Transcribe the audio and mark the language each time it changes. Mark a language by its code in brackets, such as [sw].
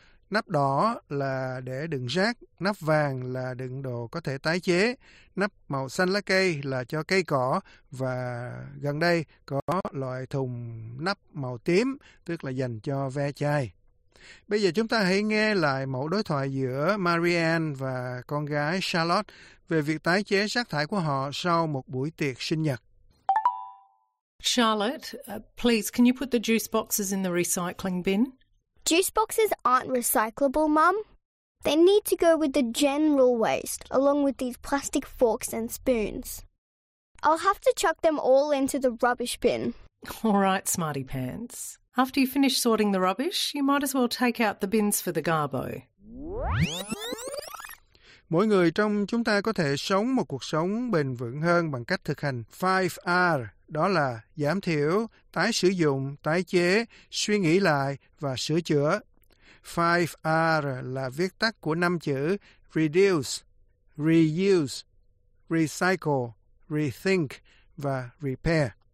[vi] Nắp đỏ là để đựng rác, nắp vàng là đựng đồ có thể tái chế, nắp màu xanh lá cây là cho cây cỏ và gần đây có loại thùng nắp màu tím, tức là dành cho ve chai. Bây giờ chúng ta hãy nghe lại mẫu đối thoại giữa Marianne và con gái Charlotte về việc tái chế rác thải của họ sau một buổi tiệc sinh nhật. [en] Charlotte, please, can you put the juice boxes in the recycling bin? Juice boxes aren't recyclable, Mum. They need to go with the general waste, along with these plastic forks and spoons. I'll have to chuck them all into the rubbish bin. All right, Smarty Pants. After you finish sorting the rubbish, you might as well take out the bins for the garbo. [vi] Mỗi người trong chúng ta có thể sống một cuộc sống bền vững hơn bằng cách thực hành 5R, đó là giảm thiểu, tái sử dụng, tái chế, suy nghĩ lại và sửa chữa. 5R là viết tắt của 5 chữ Reduce, Reuse, Recycle, Rethink và Repair.